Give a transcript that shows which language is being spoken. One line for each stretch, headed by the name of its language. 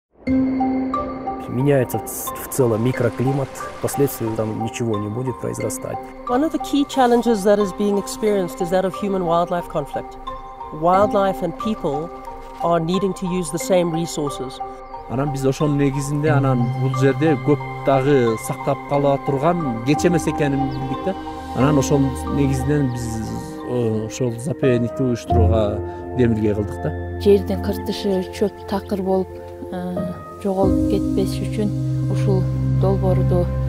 Russian: Меняется в целом микроклимат, впоследствии там ничего не будет произрастать.
English: One of the key challenges that is being experienced is that of human-wildlife conflict. Wildlife and people are needing to use the same resources.
Kyrgyz: Анан биз ошонун негизинде анан бул жерде көп дагы сактап кала турган кеч эмес экенин билдик да. Анан ошонун негизинен биз ошол заповедникти уюштурууга демилге кылдык да. Жердин кыртышы чөп такыр болуп жоголуп кетпеш үчүн ушул долбоорду